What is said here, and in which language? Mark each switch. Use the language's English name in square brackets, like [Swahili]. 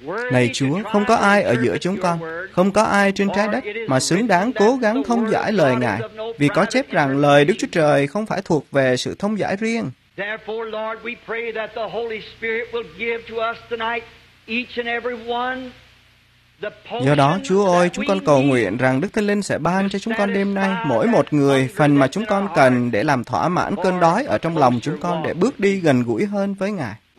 [Vietnamese] Lạy Chúa, không có ai ở giữa chúng con, không có ai trên trái đất mà xứng đáng cố gắng thông giải lời Ngài, vì có chép rằng lời Đức Chúa Trời không phải thuộc về sự thông giải riêng. [English] Therefore, Lord, we pray that the Holy Spirit will give to us tonight each and every one. [Vietnamese] Do đó, Chúa ơi, chúng con cầu nguyện rằng Đức Thánh Linh sẽ ban cho chúng con đêm nay mỗi một người phần mà chúng con cần để làm thỏa mãn cơn đói ở trong lòng chúng con để bước đi gần gũi hơn với Ngài.